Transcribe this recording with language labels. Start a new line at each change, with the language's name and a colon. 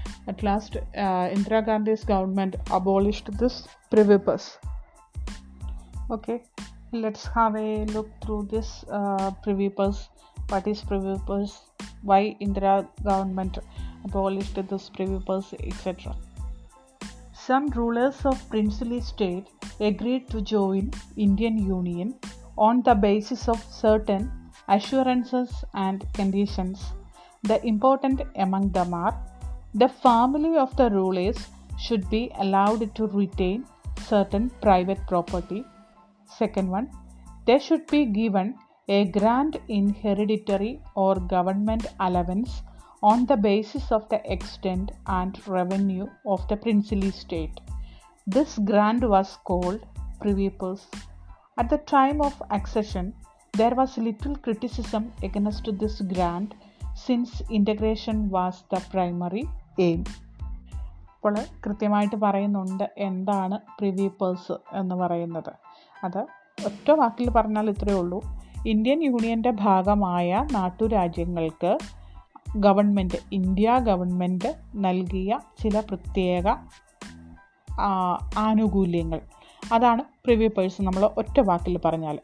English: At last ഇന്ദിരാഗാന്ധിസ് government abolished this privy purse. Okay, let's have A look through this privy purse. What is privy purse? Y Indira government abolished this privy purse etcetera. Some rulers of princely state agreed to join Indian Union on the basis of certain assurances and conditions. The important among them are: the family of the rulers should be allowed to retain certain private property. Second one, they should be given a grant in hereditary or government allowance on the basis of the extent and revenue of the princely state. This grant was called privy purse. At the time of accession, there was little criticism against this grant since integration was the primary aim.
Malayalam: ഇപ്പോൾ കൃത്യമായിട്ട് പറയുന്നുണ്ട് എന്താണ് privy purse എന്ന് പറയുന്നത്. അത് ഒറ്റ വാക്കിൽ പറഞ്ഞാൽ ഇത്രയേ ഉള്ളൂ, ഇന്ത്യൻ യൂണിയൻ്റെ ഭാഗമായ നാട്ടുരാജ്യങ്ങൾക്ക് ഗവൺമെൻറ്, ഇന്ത്യ ഗവൺമെൻറ് നൽകിയ ചില പ്രത്യേക ആനുകൂല്യങ്ങൾ, അതാണ് പ്രിവി പേഴ്സ് നമ്മൾ ഒറ്റ വാക്കിൽ പറഞ്ഞാൽ.